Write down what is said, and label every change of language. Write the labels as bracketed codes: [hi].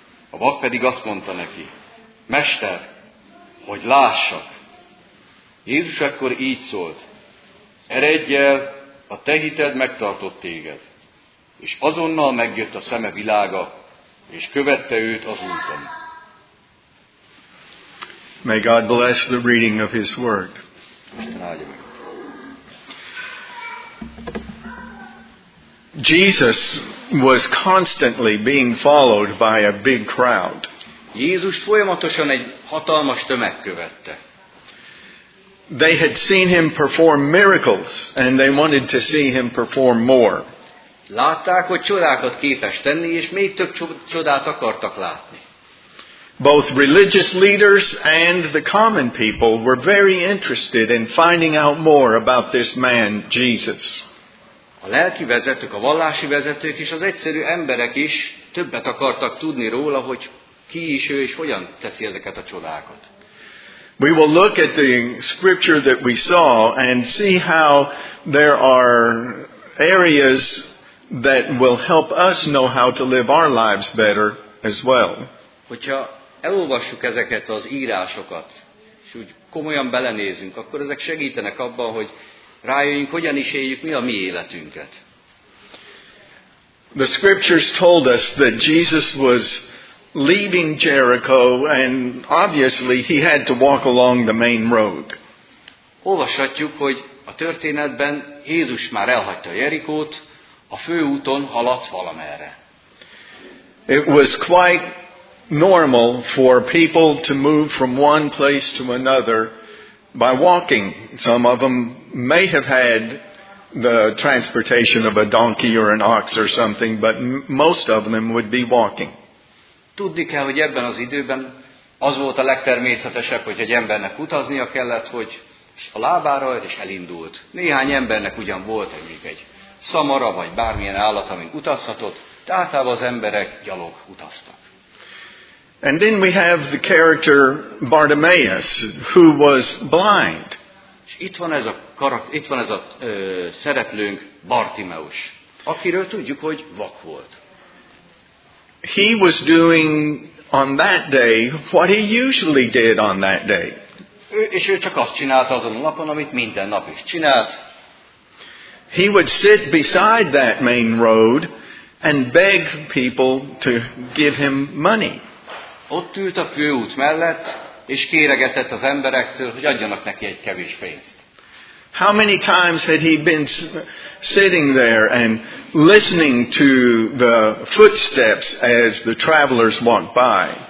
[hu] A vak pedig azt mondta neki, Mester, hogy lássak. Jézus ekkor így szólt, eredj el, a te hited megtartott téged. És azonnal megjött a szeme világa, és követte őt az úton. [en] May God bless the reading of his word. Jesus was constantly being followed by a big crowd. [hu] Jézus folyamatosan egy hatalmas tömeg követte. [en] They had seen him perform miracles, and they wanted to see him perform more. [hu] Látták, hogy csodákat képes tenni, és még több csodát akartak látni. [en] Both religious leaders and the common people were very interested in finding out more about this man, Jesus. [hu] A lelki vezetők, a vallási vezetők és az egyszerű emberek is többet akartak tudni róla, hogy ki is ő és hogyan teszi ezeket a csodákat. [en] We will look at the scripture that we saw and see how there are areas that will help us know how to live our lives better as well. [hu] Hogyha elolvassuk ezeket az írásokat, és úgy komolyan belenézünk, akkor ezek segítenek abban, hogy rájöjjünk, hogyan is éljük mi a mi életünket. [en] The scriptures told us that Jesus was leaving Jericho, and obviously he had to walk along the main road. [hu] Olvashatjuk, hogy a történetben Jézus már elhagyta Jerikót, a főúton haladt valamerre. [en] It was quite normal for people to move from one place to another by walking. Some of them may have had the transportation of a donkey or an ox or something, but most of them would be walking. [hu] Tudni kell, hogy ebben az időben az volt a legtermészetesebb, hogy egy embernek utaznia kellett, hogy a lábára és elindult. Néhány embernek ugyan volt egyik egy szamara, vagy bármilyen állat, amin utazhatott, de általában az emberek gyalog utaztak. [en] And then we have the character Bartimaeus, who was blind. [hu] És itt van ez a karakter, itt van ez a szereplőnk, Bartimeus, akiről tudjuk, hogy vak volt. [en] He was doing on that day what he usually did on that day. [hu] És ő csak azt csinálta azon a napon, amit minden nap is csinált. [en] He would sit beside that main road and beg people to give him money. [hu] Ott ült a főút mellett, és kéregetett az emberektől, hogy adjanak neki egy kevés pénzt. [en] How many times had he been sitting there and listening to the footsteps as the travelers walked by?